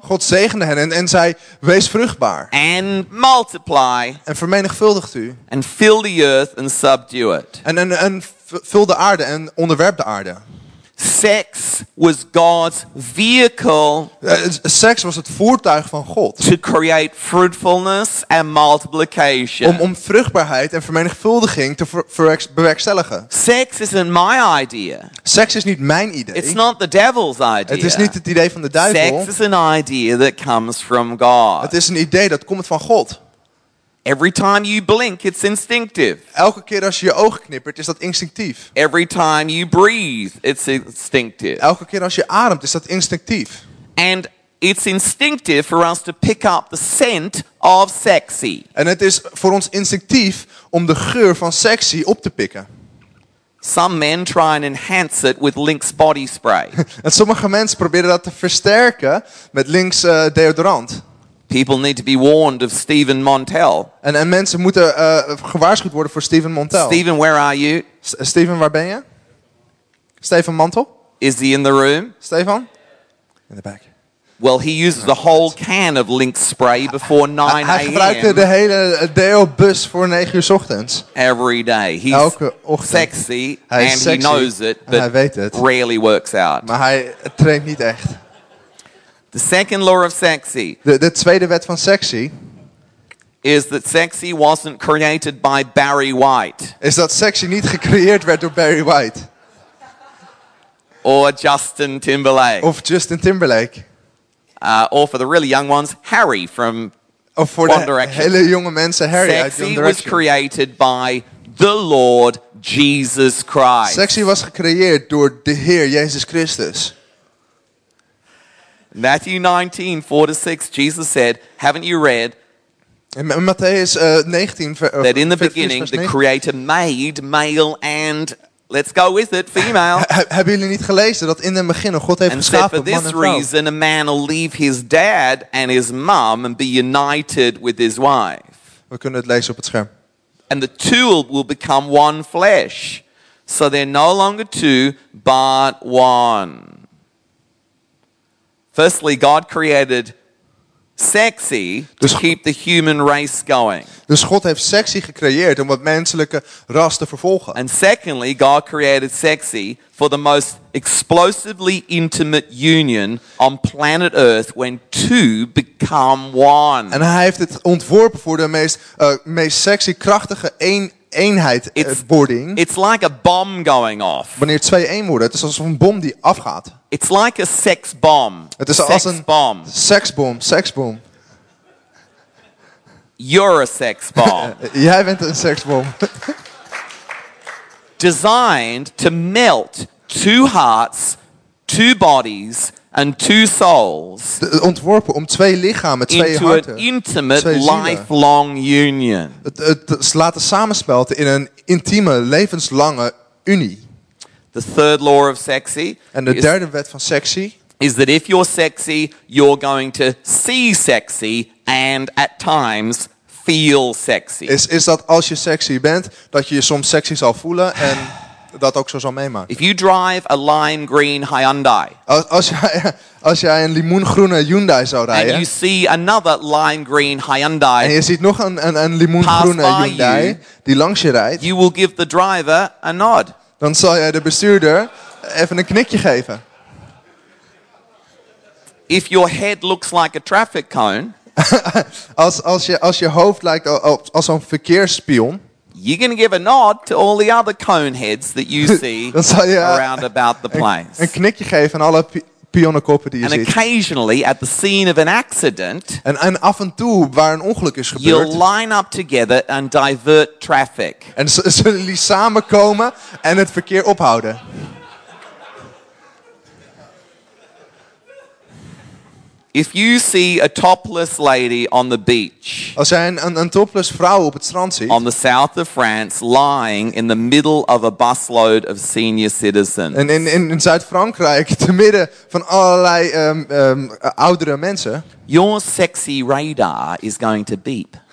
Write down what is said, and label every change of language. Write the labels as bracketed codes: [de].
[nl] God zegende hen en zei, wees vruchtbaar. [en] And multiply. [nl] En vermenigvuldigt u. [en] And fill the earth and subdue it. [nl] En vul de aarde en onderwerp de aarde. [en] Sex was God's vehicle. [nl] Sex was het voertuig van God. [en] To create fruitfulness and multiplication. [nl] Om vruchtbaarheid en vermenigvuldiging te bewerkstelligen. [en] Sex isn't my idea. [nl] Sex is niet mijn idee. [en] It's not the devil's idea. [nl] Het is niet het idee van de duivel. [en] Sex is an idea that comes from God. [nl] Het is een idee dat komt van God. [en] Every time you blink, it's instinctive. [nl] Elke keer als je ogen knippert, is dat instinctief. [en] Every time you breathe, it's instinctive. [nl] Elke keer als je ademt, is dat instinctief. [en] And it's instinctive for us to pick up the scent of sexy. [nl] En het is voor ons instinctief om de geur van sexy op te pikken. [en] Some men try and enhance it with Lynx body spray. [nl] En sommige mensen proberen dat te versterken met Lynx deodorant. [en] People need to be warned of Stephen Montel. [nl] En mensen moeten gewaarschuwd worden voor Stephen Montel. [en] Stephen, where are you? [nl] Stephen, waar ben je? Stephen Montel? [en] Is he in the room? Stephen? In the back. Well, he uses the whole can of Lynx spray before 9 a.m. [nl] Hij gebruikte de hele Deo-bus voor 9 uur 's ochtends. [en] Every day. He's [nl] Elke ochtend. Sexy, hij and sexy, [en] he knows it, but [nl] hij weet het. [en] Rarely works out. [nl] Maar hij traint niet echt. [en] The second law of sexy. [nl] De tweede wet van sexy. [en] Is that sexy wasn't created by Barry White. [nl] Is dat sexy niet gecreëerd werd door Barry White. [en] Or Justin Timberlake. [nl] Of Justin Timberlake. [en] Or for the really young ones, Harry from One Direction. [nl] Of [en] for the [nl] hele jonge mensen, Harry sexy uit One Direction. [en] Sexy was created by the Lord Jesus Christ. [nl] Sexy was gecreëerd door de Heer Jezus Christus. [en] Matthew 19, 4-6, Jesus said, haven't you read? [nl] In Matthäus 19, [en] that in the beginning the Creator made male and let's go with it, female. [nl] Hebben jullie niet gelezen dat in het begin God heeft geschapen man en vrouw? [en] And for this reason, a man will leave his dad and his mom and be united with his wife. [nl] We kunnen het lezen op het scherm. [en] And the two will become one flesh, so they're no longer two but one. Firstly, God created sexy to keep the human race going. [nl] Dus God heeft sexy gecreëerd om het menselijke ras te vervolgen. [en] And secondly, God created sexy for the most explosively intimate union on planet Earth when two become one. [nl] En hij heeft het ontworpen voor de meest sexy krachtige eenheid boarding. [en] It's like a bomb going off. [nl] Wanneer twee één worden, het is alsof een bom die afgaat. [en] It's like a sex bomb. [nl] Het is als een [en] bomb. Sex bomb. You're a sex bomb. [nl] Jij bent een sex bomb. [en] Designed to melt two hearts, two bodies and two souls. [nl] Ontworpen om twee lichamen, twee [en] into [nl] harten. [en] Into an intimate lifelong union. [nl] Het laten samensmelten in een intieme levenslange unie. [en] The third law of sexy. [nl] En de derde wet van sexy [en] is that if you're sexy, you're going to see sexy and at times feel sexy. [nl] Is dat als je sexy bent, dat je soms sexy zal voelen en dat ook zo zal meemaken. [en] If you drive a lime green Hyundai. [nl] Als jij een limoengroene Hyundai zou rijden. [en] And you see another lime green Hyundai. [nl] En je ziet nog een limoengroene Hyundai die langs je rijdt. [en] You will give the driver a nod. [nl] Dan zal jij de bestuurder even een knikje geven. [en] If your head looks like a traffic cone, [nl] als je hoofd lijkt als een verkeersspion, [en] you're gonna give a nod to all the other cone heads that you see [nl] dan zal je [en] around about the place. [nl] Een knikje geven aan alle pionnenkoppen die je [en] and [nl] ziet. [en] And occasionally at the scene of an accident, [nl] en af en toe waar een ongeluk is gebeurd, [en] you'll line up together and divert traffic. [nl] En zullen jullie samenkomen en het verkeer ophouden. [en] If you see a topless lady on the beach, [nl] als jij een topless vrouw op het strand ziet, [en] on the south of France, lying in the middle of a busload of senior citizens, [nl] en in Zuid-Frankrijk, te midden van allerlei oudere mensen, [en] your sexy radar is going to beep.